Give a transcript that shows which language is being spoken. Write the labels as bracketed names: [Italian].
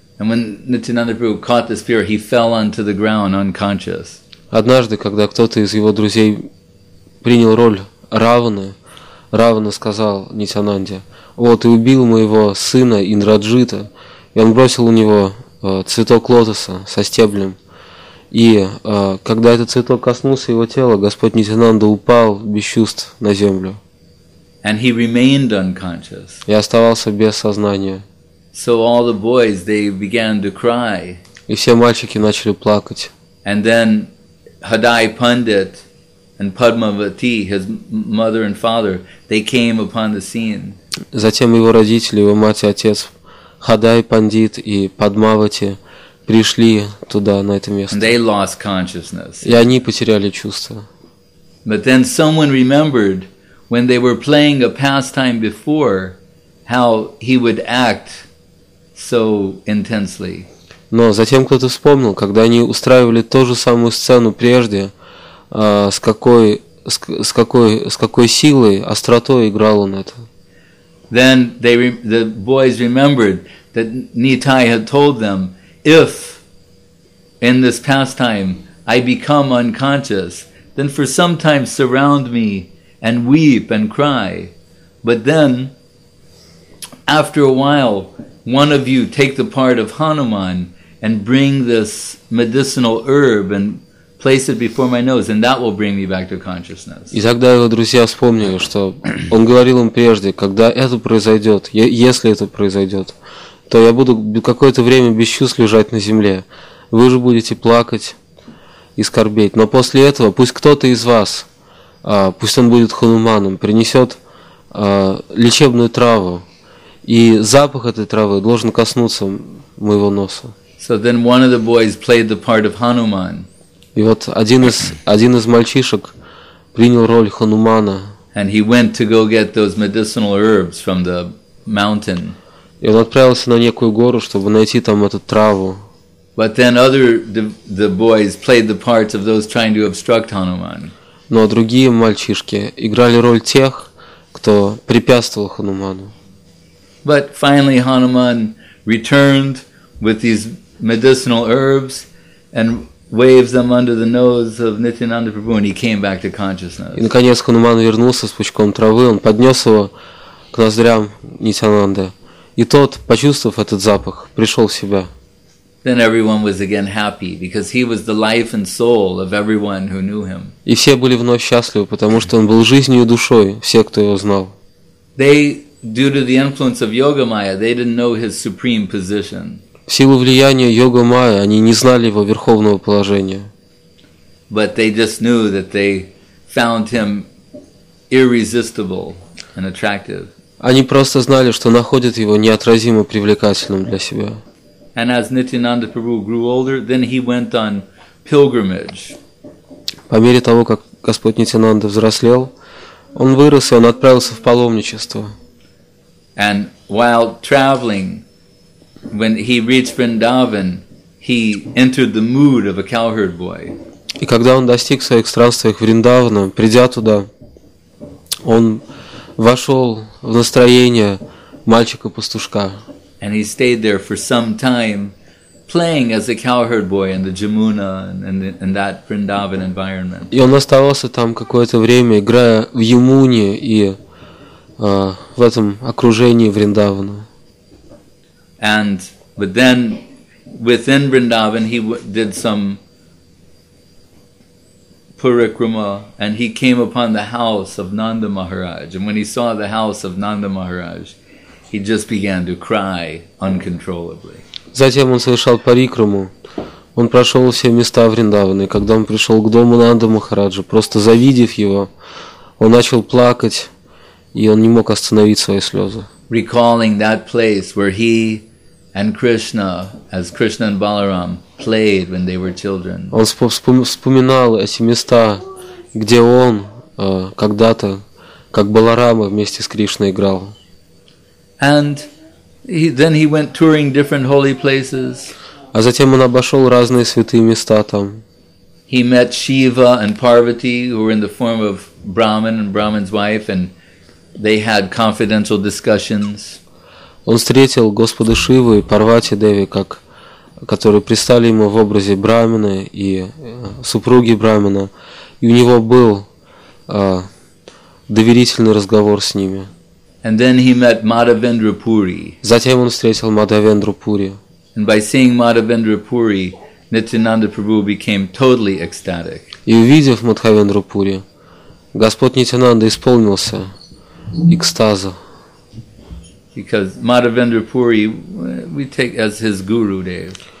[English] And when Nityananda Prabhu caught the spear, he fell onto the ground unconscious. [Russian] Однажды, когда кто-то из его друзей принял роль Равана, Равана сказал Нитянанде: "О, ты убил моего сына Индраджита." И он бросил у него цветок лотоса со стеблем. И когда этот цветок коснулся его тела, Господь Нитянанда упал без чувств на землю. [English] And he remained unconscious. [Russian] И оставался без сознания. [English] So all the boys, they began to cry. [Russian] И все мальчики начали плакать. [English] And then Hadai Pandit and Padmavati, his mother and father, they came upon the scene. [Russian] Затем его родители, его мать и отец, Хадай Пандит и Падмавати, пришли туда, на это место. [English] And they lost consciousness. [Russian] И они потеряли чувства. [English] But then someone remembered when they were playing a pastime before how he would act so intensely. [Russian] Но затем кто-то вспомнил, когда они устраивали ту же самую сцену прежде, с какой силой, остротой играл он это. [English] Then the boys remembered that Nitai had told them, if in this pastime I become unconscious, then for some time surround me and weep and cry. But then, after a while, one of you take the part of Hanuman and bring this medicinal herb and place it before my nose, and that will bring me back to consciousness. [Russian] И тогда его друзья вспомнили, что он говорил им прежде, когда это произойдет, если это произойдет, то я буду какое-то время без чувств лежать на земле. Вы же будете плакать и скорбеть. Но после этого пусть кто-то из вас, пусть он будет хануманом, принесет лечебную траву, и запах этой травы должен коснуться моего носа. [English] So then one of the boys played the part of Hanuman. [Russian] И вот один из мальчишек принял роль Ханумана. [English] And he went to go get those medicinal herbs from the mountain. [Russian] И он отправился на некую гору, чтобы найти там эту траву. [English] But then the boys played the parts of those trying to obstruct Hanuman. [Russian] Но другие мальчишки играли роль тех, кто препятствовал Хануману. [English] But finally Hanuman returned with these medicinal herbs and waves them under the nose of Nityananda Prabhu, and he came back to consciousness. [Russian] И наконец Хануман вернулся с пучком травы, он поднес его к ноздрям Нитянанды, и тот, почувствовав этот запах, пришел в себя. [English] Then everyone was again happy because he was the life and soul of everyone who knew him. [Russian] И все были вновь счастливы, потому что он был жизнью и душой всех, кто его знал. [English] They, due to the influence of Yoga Maya, they didn't know his supreme position. [Russian] В силу влияния Йога Майя они не знали его верховного положения. [English] But they just knew that they found him irresistible and attractive. [Russian] Они просто знали, что находят его неотразимо привлекательным для себя. [English] And as Nityananda Prabhu grew older, then he went on pilgrimage. [Russian] По мере того, как Господь Нитянанда взрослел, он вырос и он отправился в паломничество. [English] And while traveling, when he reached Vrindavan, he entered the mood of a cowherd boy. [Russian] И когда он достиг своих странствий Вриндавана, придя туда, он вошел в настроение мальчика-пастушка. [English] And he stayed there for some time, playing as a cowherd boy in the Jamuna and that Vrindavan environment. [Russian] И он оставался там какое-то время, играя в Ямуне и в этом окружении Вриндавана. [English] And but then within Vrindavan he did some parikrama and he came upon the house of Nanda Maharaj. And when he saw the house of Nanda Maharaj, he just began to cry uncontrollably. [Russian] Затем он совершал парикраму. Он прошел все места Вриндавана, и когда он пришел к дому Нанда Махараджа, просто завидев его, он начал плакать, и он не мог остановить свои слезы. [English] Recalling that place where he and Krishna, as Krishna and Balaram, played when they were children. [Russian] Он вспоминал эти места, где он когда-то, как Баларама вместе с Кришной играл. [English] And then he went touring different holy places. [Russian] А затем он обошел разные святые места там. [English] He met Shiva and Parvati, who were in the form of Brahman and Brahman's wife, and they had confidential discussions. [Russian] Он встретил Господа Шиву и Парвати Деви, которые пристали ему в образе Брахмана и супруги Брахмана, и у него был доверительный разговор с ними. [English] And then he met Madhavendra Puri. [Russian] Затем он встретил Мадхавендру Пури. [English] And by seeing Madhavendra Puri, Nityananda Prabhu became totally ecstatic. [Russian] И увидев Мадхавендру Пури, Господь Нитянанда исполнился экстаза. [English] Because Madhavendra Puri, we take as his guru Dev.